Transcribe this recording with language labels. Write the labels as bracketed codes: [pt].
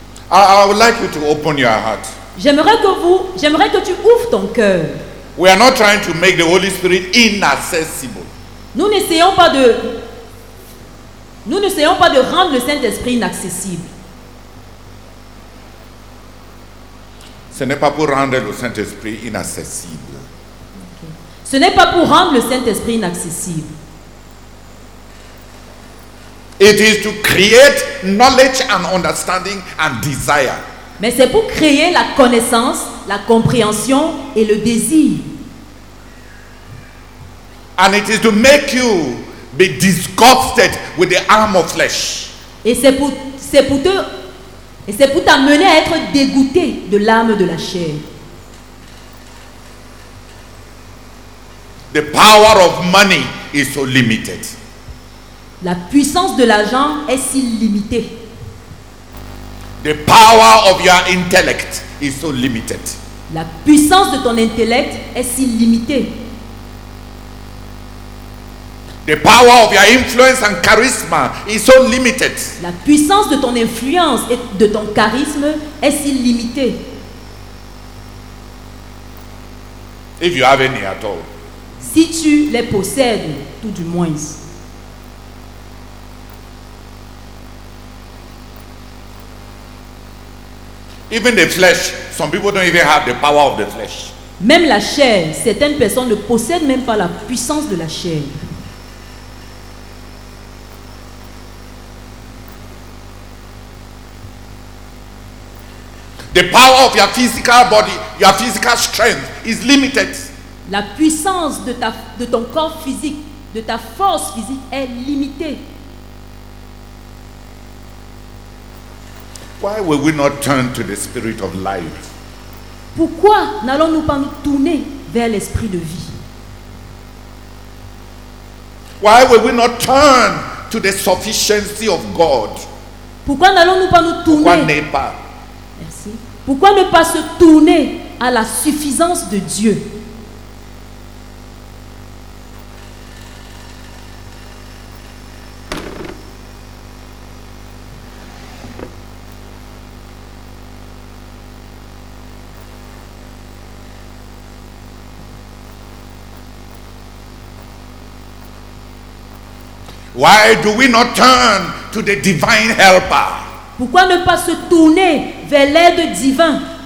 [en] I would like you to open your heart. [fr] J'aimerais que tu ouvres ton cœur. [en] We are not trying to make the Holy Spirit inaccessible. [fr] Nous n'essayons pas de rendre le Saint-Esprit inaccessible. Ce n'est pas pour rendre le Saint-Esprit inaccessible. Ce n'est pas pour rendre le Saint-Esprit inaccessible. [en] It is to create knowledge and understanding and desire. [fr] Mais c'est pour créer la connaissance, la compréhension et le désir. [en] And it is to make you be disgusted with the arm of flesh. [fr] Et c'est pour t'amener à être dégoûté de l'âme de la chair. [en] The power of money is so limited. [fr] La puissance de l'argent est si limitée. [en] The power of your intellect is so limited. [fr] La puissance de ton intellect est si limitée. [en] The power of your influence and charisma is so limited. [fr] La puissance de ton influence et de ton charisme est si limitée. [en] If you have any at all. [fr] Si tu les possèdes, tout du moins. [en] Even the flesh, some people don't even have the power of the flesh. [fr] Même la chair, certaines personnes ne possèdent même pas la puissance de la chair. [en] The power of your physical body, your physical strength is limited. [fr] La puissance de ton corps physique, de ta force physique est limitée. [en] Why will we not turn to the spirit of life? [fr] Pourquoi n'allons-nous pas nous tourner vers l'esprit de vie? [en] Why will we not turn to the sufficiency of God? [fr] Pourquoi n'allons-nous pas nous tourner? Pourquoi n'est pas? Merci. Pourquoi ne pas se tourner à la suffisance de Dieu? [en] Why do we not turn to the divine helper? [fr] Pourquoi ne pas se tourner vers l'aide divin?